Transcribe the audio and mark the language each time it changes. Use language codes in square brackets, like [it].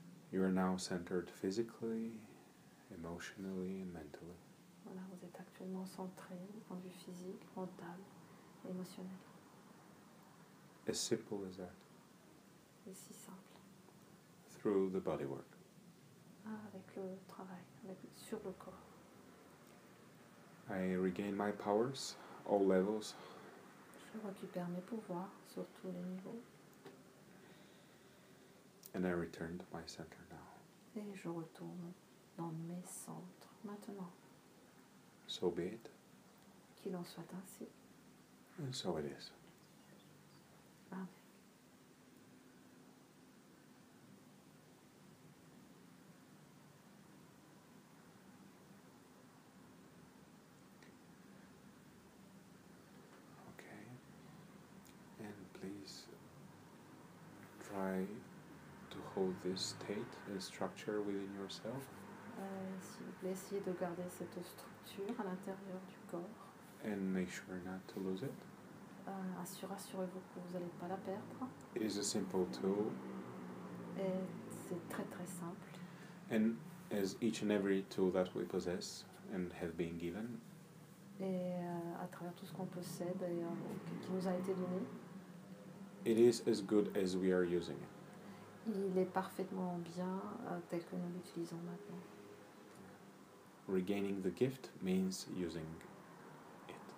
[en] You are now centered physically, emotionally, and mentally. [fr] Voilà, vous êtes actuellement centré en vue physique, mental, émotionnel. [en] As simple as that. [fr] Et si simple. [en] Through the bodywork. [fr] Ah, avec le travail, avec, sur le corps. [en] I regain my powers, all levels. [fr] Je récupère mes pouvoirs sur tous les niveaux. [en] And I return to my center now. [fr] Et je retourne dans mes centres maintenant. [en] So be it. [fr] Qu'il en soit ainsi. [en] And so it is. [fr] Amen. [en] Okay. And please try to hold this state and structure within yourself. [fr] S'il vous plaît, essayez de garder cette structure à l'intérieur du corps. [en] And make sure not to lose it. [fr] Assurez-vous que vous n'allez pas la perdre. [en] It is a simple tool. [fr] Et c'est très très simple. [en] And as each and every tool that we possess and have been given. [fr] Et à travers tout ce qu'on possède et qui nous a été donné. [en] It is as good as we are using it. [fr] Il est parfaitement bien tel que nous l'utilisons maintenant. [en] Regaining the gift means using it.